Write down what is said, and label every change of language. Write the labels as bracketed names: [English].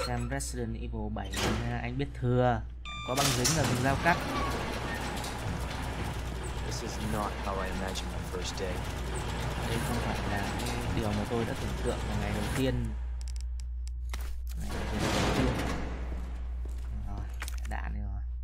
[Vietnamese] Resident Evil 7, anh biết thừa. Có băng dính và dùng dao cắt. [English] This is not how I imagined my first day. [Vietnamese] Đây không phải là điều mà tôi đã tưởng tượng vào ngày đầu tiên. Ngày đầu tiên. Rồi, đạn đi rồi.